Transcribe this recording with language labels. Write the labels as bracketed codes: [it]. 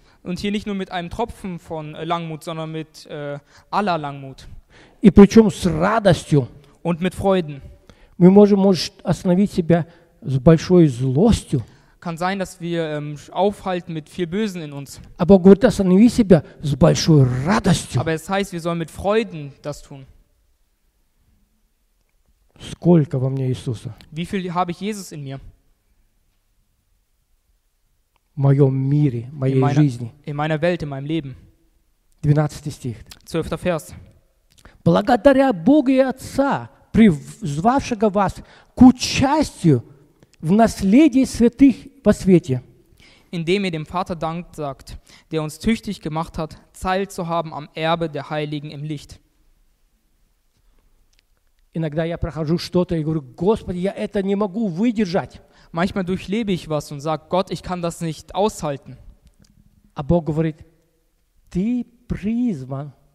[de] Und hier nicht nur mit einem Tropfen von Langmut, sondern mit aller Langmut. [ru] И причем с радостью. [de] Und mit Freuden. [ru] Мы можем, может, остановить себя с большой злостью. [de] Kann sein, dass wir aufhalten mit viel Bösen in uns. [ru] Aber говорит, останови себя с большой радостью. [de] Aber es heißt, wir sollen mit Freuden das tun. [ru] Сколько во мне Иисуса? [de] Wie viel habe ich Jesus in mir? [ru] В моем мире, в моей [de] in meiner, [ru] жизни. [de] In meiner Welt, in meinem Leben. [ru] 12. стих. [de] 12. Vers. [ru] Благодаря Богу и Отца, призвавшего вас к участию в наследии святых во свете. [de] Indem ihr dem Vater Dank sagt, der uns tüchtig gemacht hat, Teil zu haben am Erbe der Heiligen im Licht. [ru] Иногда я прохожу что-то и говорю, Господи, я это не могу выдержать. [de] Manchmal durchlebe ich was und sage, Gott, ich kann das nicht aushalten. Aber Gott [ru] говорит, ты призван.